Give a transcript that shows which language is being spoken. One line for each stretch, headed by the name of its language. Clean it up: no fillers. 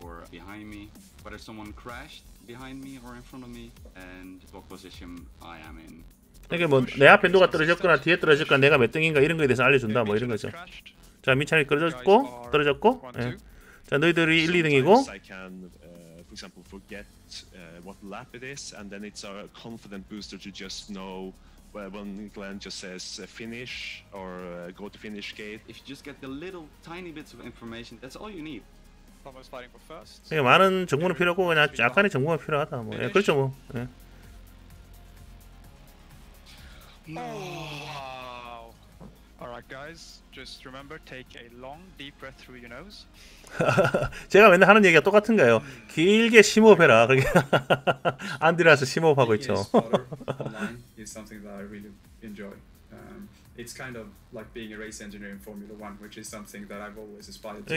English: Behind me, whether someone crashed behind me or in front of me, and what position I am in.
Korean: 이게 뭐 내 앞에 누가 떨어졌거나 뒤에 떨어졌거나 내가 몇 등인가 이런 거에 대해서 알려준다 뭐 이런 거죠. 자, 미찬이 떨어졌고 떨어졌고. 예. 자, 너희들이 1, 2등이고.
English: For example, forget what lap it is, and then it's a confident booster to just know when Glenn just says finish or go to finish gate. If you just get the little tiny bits of information, that's all you need.
Korean: 예, 많은 정보는 필요 없고 그냥 약간의 정보가 필요하다 뭐. 예, 그렇죠 뭐. 예. 와우.
English: Alright guys, just remember take a long deep breath through your nose.
Korean: 제가 맨날 하는 얘기가 똑같은 거예요. 길게 심호흡해라. 그렇게 안드레아스 심호흡하고 있죠.
English: It's something that I really enjoy. It's kind of like being a race engineer in Formula One, which is something that I've always aspired to.